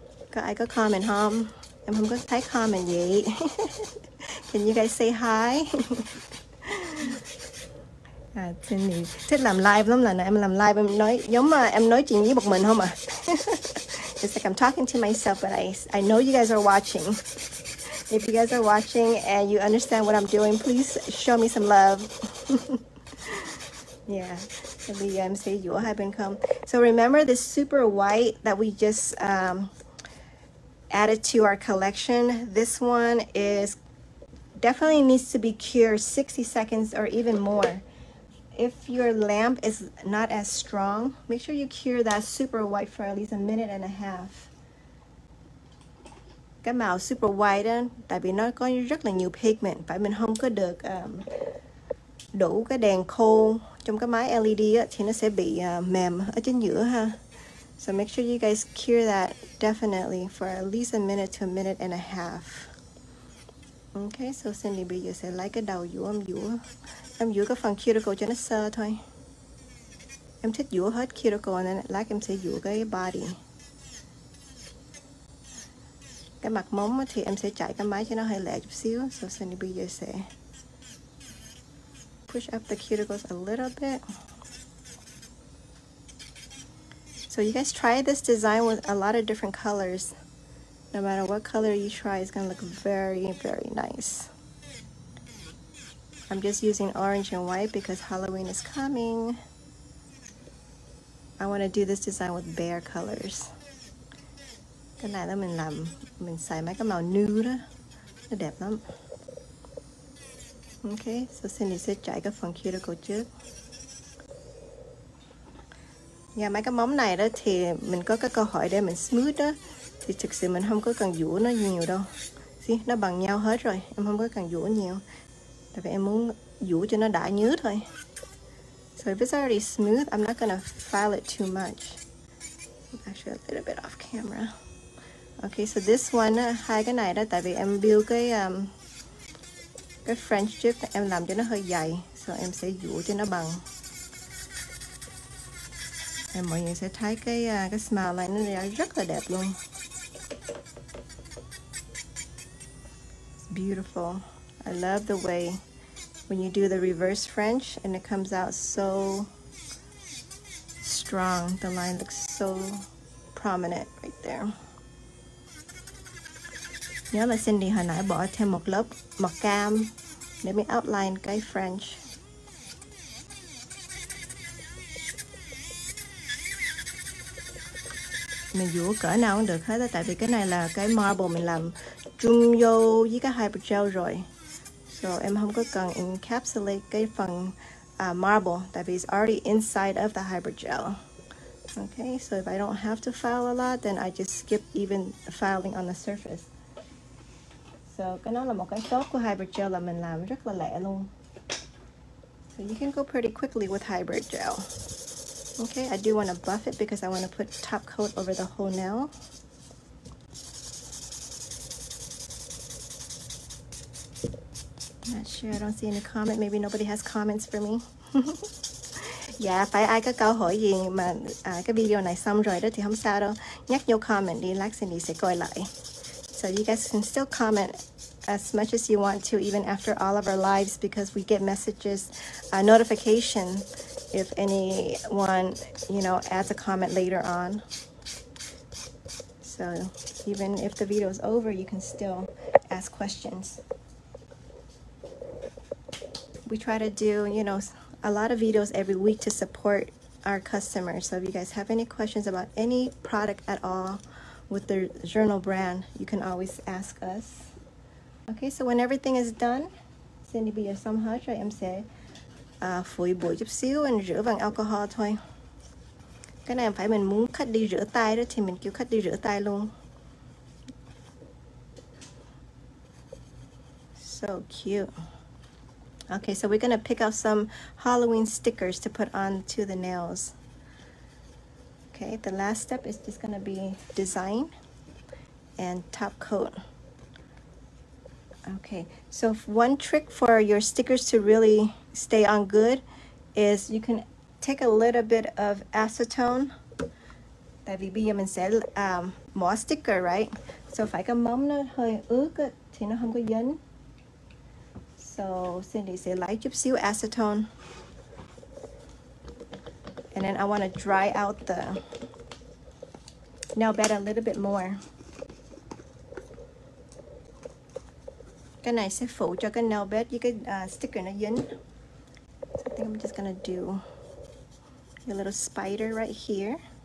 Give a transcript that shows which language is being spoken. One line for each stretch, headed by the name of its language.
Vietnamese: Có ai có comment không? Em không có thấy comment gì.
English: Can you guys say hi?
Vietnamese: À, thích làm live lắm, là em làm live em nói giống mà em nói chuyện với một mình không à.
English: It's like I'm talking to myself, but I know you guys are watching. If you guys are watching and you understand what I'm doing, please show me some love. Yeah.
Vietnamese: So bây giờ em sẽ vuốt hai bên không.
English: So remember this super white that we just added to our collection. This one is definitely needs to be cured 60 seconds or even more. If your lamp is not as strong, make sure you cure that super white for at least a minute and a half.
Vietnamese: Cái màu super white tại vì nó có rất là nhiều pigment, phải mình không có được đủ cái đèn khô trong cái máy LED á thì nó sẽ bị mềm ở chính giữa ha.
English: So make sure you guys cure that definitely for at least a minute to a minute and a half.
Vietnamese: Okay, so Cindy bây giờ sẽ lấy cái đầu vuốt, em vuốt cái phần cuticle cho nó sơ thôi. Em thích vuốt hết cuticle, nên lát em sẽ vuốt cái body. Cái mặt móng thì em sẽ chạy cái máy cho nó hơi lẹ chút xíu.
English: So Cindy
Vietnamese: bây giờ sẽ
English: push up the cuticles a little bit. So you guys try this design with a lot of different colors. No matter what color you try, it's gonna look very, very nice. I'm just using orange and white because Halloween is coming. I wanna do this design with bear colors.
Vietnamese: Cái này đó mình làm, mình xài mấy cái màu nude đó, nó đẹp lắm. Ok, so Cindy sẽ chạy cái phần cuticle trước. Yeah, mấy cái móng này đó thì mình có cái câu hỏi để mình smooth đó, thì thực sự mình không có cần dũa nó nhiều đâu. See, nó bằng nhau hết rồi, em không có cần dũa nhiều. Tại vì em muốn dũa cho nó đã nhớ thôi.
English: So if it's already smooth, I'm not gonna file it too much. Actually, a little bit off camera. Okay, so this one,
Vietnamese: hai cái này đó, tại vì em build cái French chip, em làm cho nó hơi dày. So em sẽ dũa cho nó bằng. Em mọi người sẽ thấy cái smile line nó rất là đẹp luôn.
English: Beautiful. I love the way when you do the reverse French and it comes out so strong. The line looks so prominent right there.
Vietnamese: Nhớ là Cindy hồi nãy bỏ thêm một lớp màu cam để mình outline cái French. Mình dũa cỡ nào cũng được hết đó, tại vì cái này là cái marble mình làm chung vô với cái hypergel rồi. So em không có cần encapsulate cái phần marble, tại vì
English: it's already inside of the hypergel. Okay, so if I don't have to file a lot, then I just skip even filing on the surface.
Vietnamese: So cái đó là một cái tốt của hypergel là mình làm rất là lẹ luôn.
English: So you can go pretty quickly with hypergel. Okay, I do want to buff it because I want to put top coat over the whole nail. Not sure, I don't see any comment. Maybe nobody has comments for me.
Vietnamese: Yeah, phải ai có câu hỏi gì mà cái video này xong rồi đó thì không sao đâu. Nhắc vô comment đi, like Cindy sẽ coi lại.
English: So you guys can still comment as much as you want to even after all of our lives because we get messages, notification if anyone, you know, adds a comment later on. So even if the video is over, you can still ask questions. We try to do, you know, a lot of videos every week to support our customers. So if you guys have any questions about any product at all with the journal brand, you can always ask us. Okay, so when everything is done,
Vietnamese: Cindy bây giờ xong hết rồi, em sẽ phủi bụi chút xíu và rửa bằng alcohol thôi. Cái này phải mình muốn khách đi rửa tay đó thì mình kêu khách đi rửa tay luôn.
English: So cute. Okay, so we're gonna pick out some Halloween stickers to put on to the nails. Okay, the last step is just gonna be design and top coat. Okay, so one trick for your stickers to really stay on good is you can take a little bit of acetone.
Vietnamese: Tại vì bây giờ mình sẽ mỏ sticker, right? So phải cái móng nó hơi ướt thì nó không có dính. So Cindy sẽ lấy chút xíu acetone.
English: And then I want to dry out the nail bed a little bit more.
Vietnamese: Cái này sẽ phủ cho cái nail bed với cái sticker nó dính.
English: So I think I'm just gonna do a little spider right here.